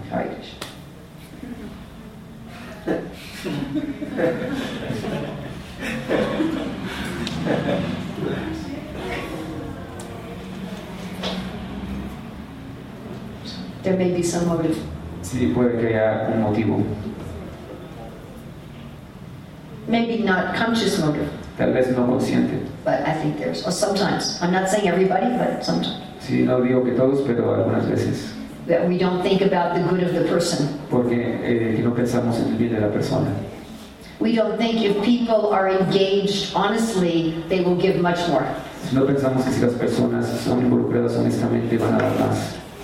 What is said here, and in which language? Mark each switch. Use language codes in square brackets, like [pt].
[en] Hare Krishna. There may be some motive. [es] Sí, puede que haya un motivo. [en] Maybe not conscious motive. [es] Tal vez no consciente. [en] But I think there's, or sometimes. I'm not saying everybody, but sometimes. [es] Sí, no digo que todos, pero algunas veces. [en] That we don't think about the good of the person. [es] Porque que no pensamos en el bien de la persona. [en] We don't think if people are engaged honestly, they will give much more. [es] No pensamos que si las personas son involucradas honestamente van a dar más.